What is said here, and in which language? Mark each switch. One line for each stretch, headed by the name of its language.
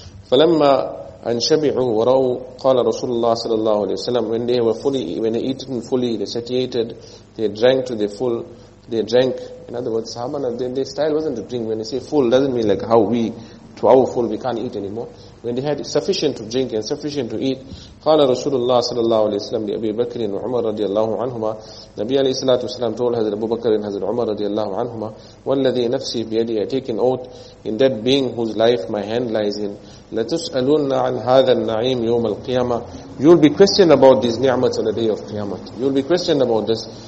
Arabic: فَلَمَّا أَنْ شَبِعُوا وَرَوْا قَالَ رَسُولُ اللَّهِ صَلَى اللَّهُ عَلَيْهِ وَسَلَّمَ.
English: When they were fully, when they eaten fully, they satiated, they drank to the full, they drank. In other words, sahaba, their style wasn't to drink. When they say full, doesn't mean like how we, to our full, we can't eat anymore. When they had sufficient to drink and sufficient to eat,
Arabic: قَالَ رَسُولُ اللَّهِ صَلَى اللَّهُ عَلَيْهِ وَسَلَّمَ لِأَبِي بَكْرٍ وَعُمَرَ رَضِيَ اللَّهُ عَنْهُمَا.
English: Nabi alayhi salatu wasalam told Hazrat Abu Bakr and Hazrat Umar radiallahu anhuma,
Arabic: وَالَّذِي نَفْسِي بِيَدِي,
English: I take an oath in that being whose life my hand lies in,
Arabic: لَتُسْأَلُنَّ عَنْ هَذَا النَّعِيمِ يَوْمَ الْقِيَامَةِ.
English: You'll be questioned about these ni'mat on the day of Qiyamah. You'll be questioned about this.